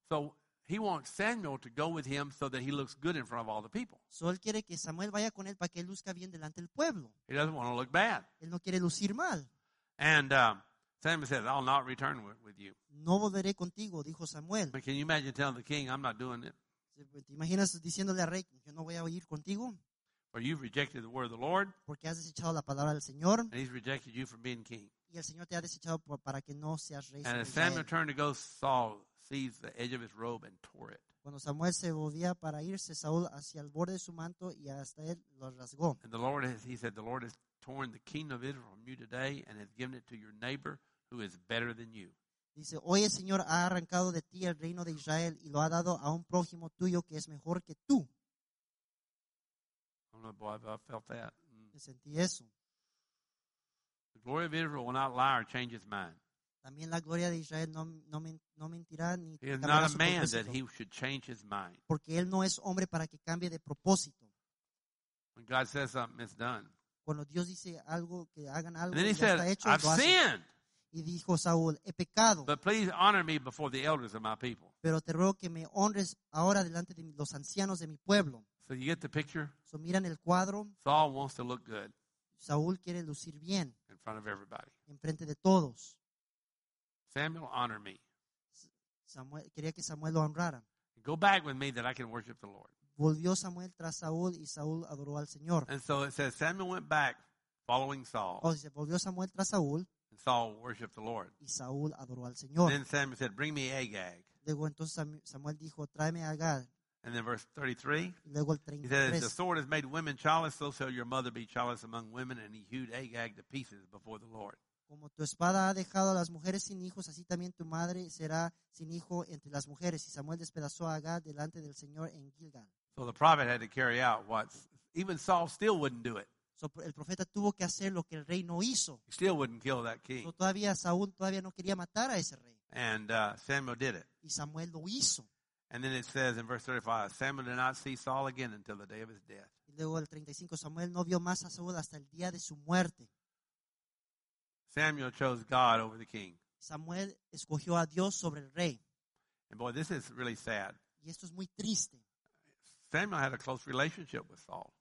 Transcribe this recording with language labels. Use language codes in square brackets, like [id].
[en] So he wants Samuel to go with him so that he looks good in front of all the people. [es] So él quiere que Samuel vaya con él para que él luzca bien delante del pueblo. [en] He doesn't want to look bad. [es] Él no quiere lucir mal. [en] And Samuel says, "I'll not return with you." [es] No volveré contigo, dijo Samuel. [en] But can you imagine telling the king, "I'm not doing it"? [es] ¿Te imaginas diciéndole al rey, "Yo no voy a ir contigo"? [en] For you've rejected the word of the Lord. [es] Porque has desechado la palabra del Señor. [en] And he's rejected you from being king. [es] Y el Señor te ha desechado para que no seas rey. [en] And as Samuel turned to go, Saul sees the edge of his robe and tore it. [es] Cuando Samuel se volvía para irse, Saúl hacia el borde de su manto y hasta él lo rasgó. [en] And the Lord has, he said, the Lord has torn the kingdom of Israel from you today and has given it to your neighbor who is better than you. [es] Dice, hoy el Señor ha arrancado de ti el reino de Israel y lo ha dado a un prójimo tuyo que es mejor que tú. [en] I don't know, boy, but I felt that. [es] Sentí eso. [en] The glory of Israel will not lie or change his mind. [es] También la gloria de Israel no mentirá ni cambiará su propósito. [en] He is not a man that he should change his mind. [es] Porque él no es hombre para que cambie de propósito. [en] When God says something, it's done. [es] Cuando Dios dice algo, que hagan algo, [en] and then he said, [es] hecho, [en] I've sinned. [es] Y dijo Saúl, he pecado. [en] But please honor me before the elders of my people. [es] Pero te ruego que me honres ahora delante de los ancianos de mi pueblo. [en] So you get the picture? [es] So miran el cuadro. [en] Saul wants to look good. [es] Saúl quiere lucir bien. [en] In front of everybody. [es] En frente de todos. [en] Samuel, honor me. [es] Samuel quería que Samuel lo honrara. [en] Go back with me that I can worship the Lord. [es] Volvió Samuel tras Saúl y Saúl adoró al Señor. [en] And so it says Samuel went back following Saul. [es] O sea, volvió Samuel tras Saúl. [en] And Saul worshiped the Lord. [es] Y Saúl adoró al Señor. [en] Then Samuel said, bring me Agag. [es] Luego entonces Samuel dijo, tráeme a Agag. [en] And then verse 33, he says, as the sword has made women childless, so shall your mother be childless among women. And he hewed Agag to pieces before the Lord. [es] Como tu espada ha dejado a las mujeres sin hijos, así también tu madre será sin hijo entre las mujeres. Y Samuel despedazó a Agag delante del Señor en Gilgal. [en] So the prophet had to carry out what, even Saul still wouldn't do it. [es] So el profeta tuvo que hacer lo que el rey no hizo. [en] He still wouldn't kill that king. [es] So todavía Saúl todavía no quería matar a ese rey. [en] And Samuel did it. [es] Y Samuel lo hizo. [en] And then it says in verse 35, Samuel did not see Saul again until the day of his death. [es] Y luego el 35, Samuel no vio más a Saúl hasta el día de su muerte. [en] Samuel chose God over the king. [es] Samuel escogió a Dios sobre el rey. [en] And boy, this is really sad. [es] Y esto es muy triste. [en] Samuel had a close relationship with Saul.